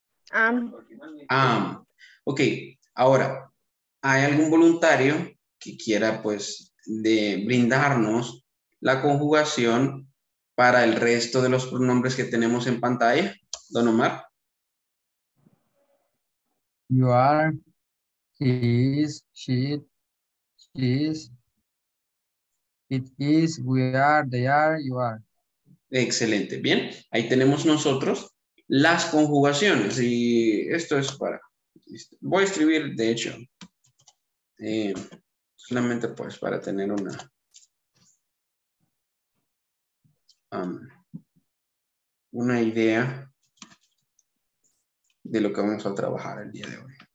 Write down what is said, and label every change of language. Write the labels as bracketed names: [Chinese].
[English] Am. Am. [Spanish] Ok, ahora, ¿hay algún voluntario que quiera, pues, de brindarnos la conjugación para el resto de los pronombres que tenemos en pantalla? Don Omar. [English] You are, he is, she is, it is, we are, they are, you are. [Spanish] Excelente. Bien, ahí tenemos nosotros las conjugaciones. Y esto es para, voy a escribir, de hecho, solamente pues para tener una. Una idea de lo que vamos a trabajar el día de hoy.